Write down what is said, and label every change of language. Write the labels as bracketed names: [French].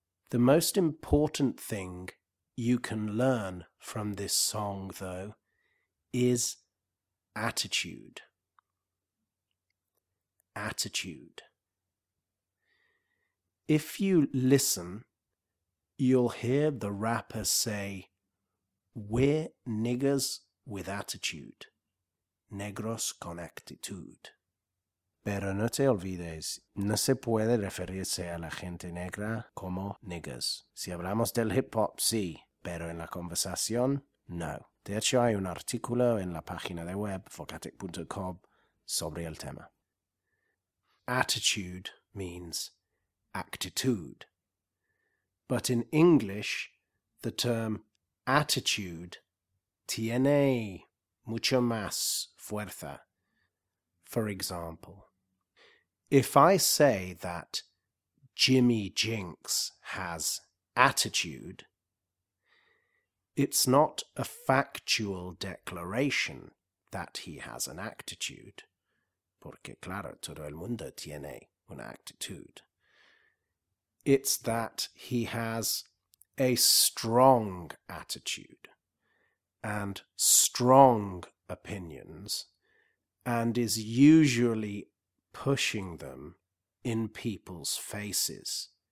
[English] The most important thing you can learn from this song, though, is attitude. Attitude. If you listen, you'll hear the rapper say, "We're niggers with attitude. [Spanish] Negros con actitud." Pero no te olvides, no se puede referirse a la gente negra como niggers. Si hablamos del hip hop, sí, pero en la conversación, no. De hecho, hay un artículo en la página de web, vocatic.com, sobre el tema. [English] Attitude means actitude. But in English, the term attitude [Spanish] tiene mucho más fuerza. [English] For example, if I say that Jimmy Jinks has attitude, it's not a factual declaration that he has an attitude. [Spanish] Porque, claro, todo el mundo tiene una actitud. [English] It's that he has a strong attitude and strong opinions and is usually pushing them in people's faces.